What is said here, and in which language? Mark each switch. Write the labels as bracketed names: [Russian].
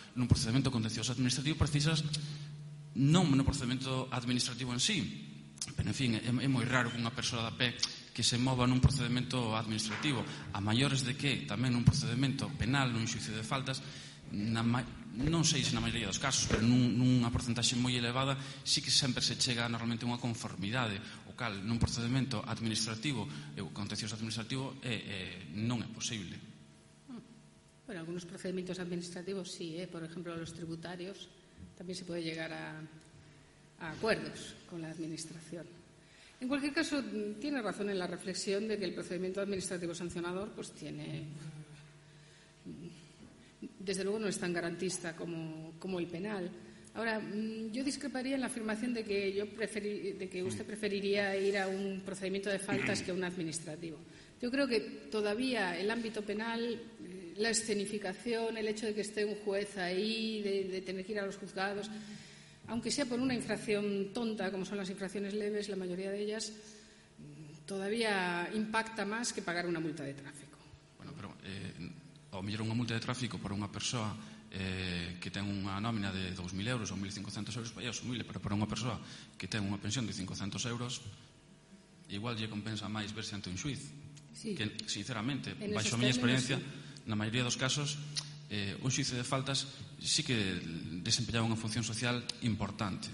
[Galician] Nun procedimento contencioso administrativo precisas, non no procedimento administrativo en sí, pero, en fin, é moi raro que unha persoa da PE que se mova nun procedimento administrativo, a maiores de que tamén nun procedimento penal, nun xuicio de faltas, non sei se na maioría dos casos, pero nunha porcentaxe moi elevada, sí que sempre se chega normalmente unha conformidade, o cal nun procedimento administrativo, o contencioso administrativo, non é posible. [Spanish] Bueno, algunos procedimentos administrativos sí, por ejemplo, los tributarios, [Galician] tamén se pode [Spanish] llegar a acuerdos con la administración. En cualquier caso, tiene razón en la reflexión de que el procedimiento administrativo sancionador, pues tiene, desde luego, no es tan garantista como el penal. Ahora, yo discreparía en la afirmación de que usted preferiría ir a un procedimiento de faltas que a un administrativo. Yo creo que todavía el ámbito penal, la escenificación, el hecho de que esté un juez ahí, de tener que ir a los juzgados, aunque sea por una infracción tonta, como son las infracciones leves, la mayoría de ellas, todavía impacta más que pagar una multa de tráfico. [Galician] Bueno, pero o mellor unha multa de tráfico para unha persoa que ten unha nómina de 2.000 euros ou 1.500 euros, vai asumible, pero para unha persoa que ten unha pensión de 500 euros, igual lle compensa máis verse ante un xuiz. Sí. Que, sinceramente, baixo a miña experiencia, sí, na maioría dos casos, un xuiz de faltas sí que desempeñaba unha función social importante.